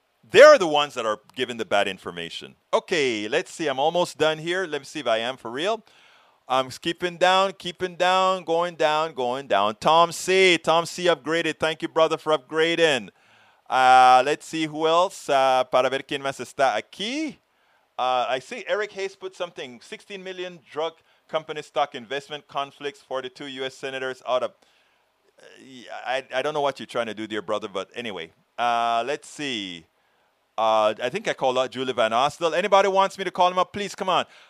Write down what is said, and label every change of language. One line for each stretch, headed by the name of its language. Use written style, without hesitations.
English: They're the ones that are giving the bad information. Okay, let's see. I'm almost done here. Let me see if I am for real. I'm keeping down, going down. Tom C upgraded. Thank you, brother, for upgrading. Let's see who else.
Spanish: Para ver quién más está aquí.
English: I see Eric Hayes put something. 16 million drug company stock investment conflicts. 42 U.S. senators out of... I don't know what you're trying to do, dear brother, but anyway. Let's see. I think I called out Julie Van Ostel. Anybody wants me to call him up, please, come on.